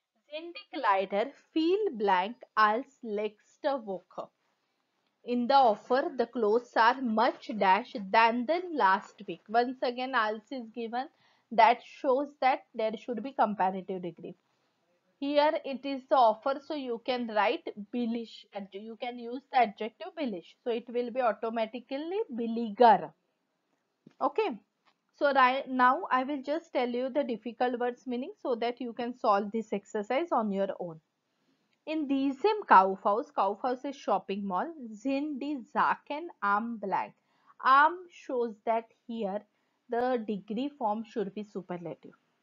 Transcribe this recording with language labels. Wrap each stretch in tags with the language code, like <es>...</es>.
<de>Sind die Kleider viel blank als letzte Woche?</de> <en>In the offer, the clothes are much dash than the last week. Once again, als is given, that shows that there should be comparative degree. Here it is the offer, so you can write billig. You can use the adjective billig. So it will be automatically billiger. Okay. So now I will just tell you the difficult words meaning so that you can solve this exercise on your own.</en> <de>In diesem Kaufhaus, Kaufhaus</de> <en>is shopping mall,</en> <de>sind die Sachen am blank.</de> <en>Am shows that here the degree form should be superlative.</en>